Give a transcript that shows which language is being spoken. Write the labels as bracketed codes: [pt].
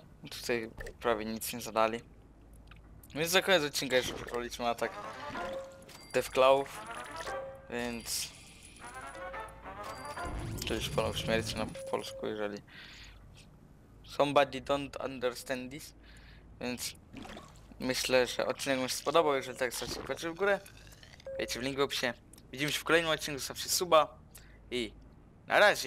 [pl] Tutaj prawie nic nie zadali. Więc za koniec odcinka jeszcze poproliśmy atak Deathclawów. Więc... Czyli szponą śmierci na polsku, jeżeli... [en] Somebody don't understand this. [pl] Więc... Myślę, że odcinek mi się spodobał, jeżeli tak, zostawcie kciuk w górę. Wejdźcie w link w opisie. Widzimy się w kolejnym odcinku, zostawcie suba. I... Na razie!